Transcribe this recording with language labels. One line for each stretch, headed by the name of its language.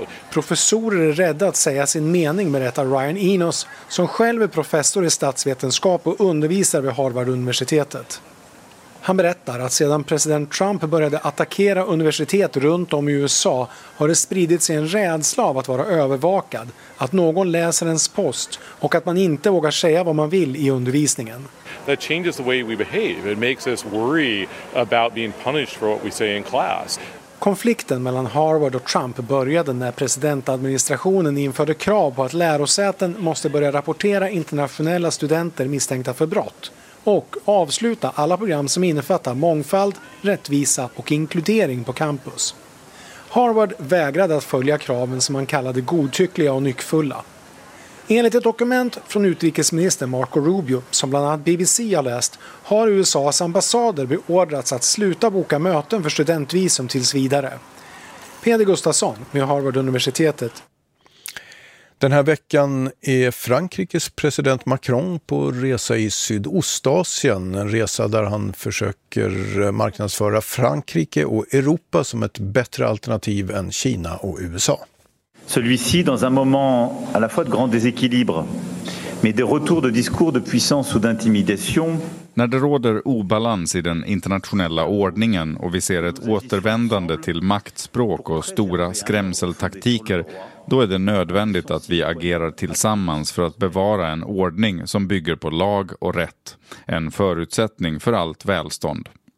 Swedish: Professorer är rädda att säga sin mening, berättar Ryan Enos, som själv är professor i statsvetenskap och undervisar vid Harvard-universitetet. Han berättar att sedan president Trump började attackera universitet runt om i USA har det spridit sig en rädsla av att vara övervakad, att någon läser ens post och att man inte vågar säga vad man vill i undervisningen.
English: That changes the way we behave. It makes us worry about being punished for what we say in class.
Swedish: Konflikten mellan Harvard och Trump började när presidentadministrationen införde krav på att lärosäten måste börja rapportera internationella studenter misstänkta för brott och avsluta alla program som innefattar mångfald, rättvisa och inkludering på campus. Harvard vägrade att följa kraven som man kallade godtyckliga och nyckfulla. Enligt ett dokument från utrikesminister Marco Rubio, som bland annat BBC har läst, har USAs ambassader beordrats att sluta boka möten för studentvisum tills vidare. Peder Gustafsson med Harvard-universitetet. Den här veckan är Frankrikes president Macron på resa i Sydostasien. En resa där han försöker marknadsföra Frankrike och Europa som ett bättre alternativ än Kina och USA.
French: Celui-ci dans un moment à la fois de grand déséquilibre mais des retours de discours de puissance ou d'intimidation.
Swedish: När det råder obalans i den internationella ordningen och vi ser ett återvändande till maktspråk och stora skrämseltaktiker, då är det nödvändigt att vi agerar tillsammans för att bevara en ordning som bygger på lag och rätt, en förutsättning för allt välstånd.